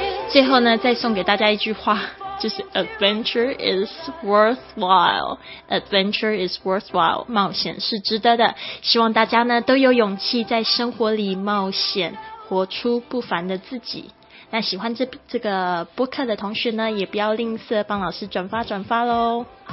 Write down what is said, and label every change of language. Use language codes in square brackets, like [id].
[zh] 最后呢，再送给大家一句话。就是 [en] adventure is worthwhile， adventure is worthwhile， [zh] 冒险是值得的。希望大家呢都有勇气在生活里冒险，活出不凡的自己。那喜欢这个播客的同学呢，也不要吝啬帮老师转发转发咯。